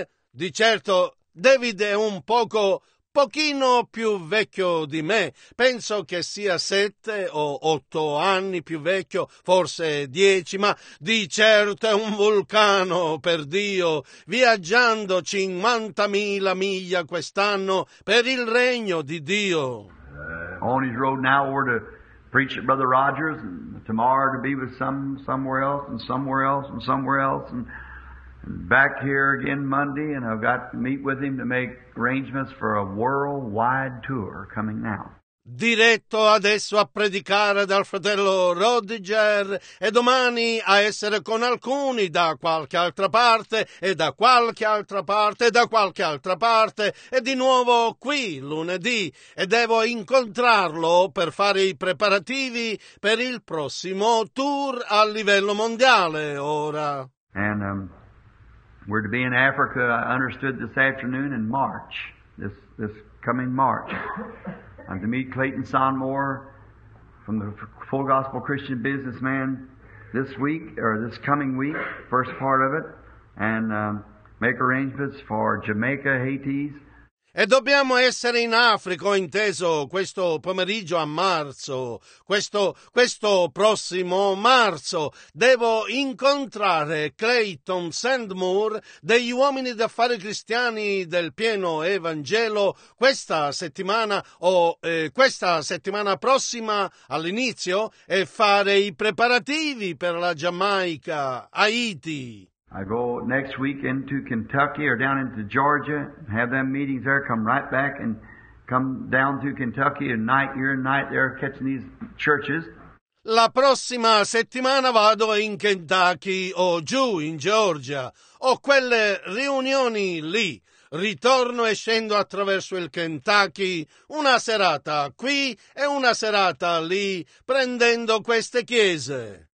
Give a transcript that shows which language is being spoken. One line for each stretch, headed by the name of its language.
Italian: Di certo David è un pochino più vecchio di me. Penso che sia 7 o 8 anni più vecchio, forse 10, ma di certo è un vulcano, per Dio, viaggiando 50.000 miglia quest'anno per il regno di Dio.
English: On his road now, we're to preach at Brother Rogers, and tomorrow to be with somewhere else, and somewhere else, and somewhere else, and back here again Monday, and I've got to meet with him to make arrangements for a worldwide tour coming now.
Italian: Diretto adesso a predicare dal fratello Rodiger, e domani a essere con alcuni da qualche altra parte, e da qualche altra parte, e da qualche altra parte, e di nuovo qui lunedì, e devo incontrarlo per fare i preparativi per il prossimo tour a livello mondiale ora.
English: And we're to be in Africa, I understood, this afternoon in March, this coming March. I'm to meet Clayton Sonmore from the Full Gospel Christian Businessman this week, or this coming week, first part of it. And make arrangements for Jamaica, Haiti.
Italian: E dobbiamo essere in Africa, inteso, questo pomeriggio a marzo, questo prossimo marzo. Devo incontrare Clayton Sandmore degli Uomini d'Affari Cristiani del Pieno Evangelo questa settimana o questa settimana prossima all'inizio e fare i preparativi per la Giamaica, Haiti.
English: I go next week into Kentucky or down into Georgia, have them meetings there, come right back and come down to Kentucky and night here and night there catching these churches.
Italian: La prossima settimana vado in Kentucky o giù in Georgia. Ho quelle riunioni lì. Ritorno e scendo attraverso il Kentucky, una serata qui e una serata lì, prendendo queste chiese.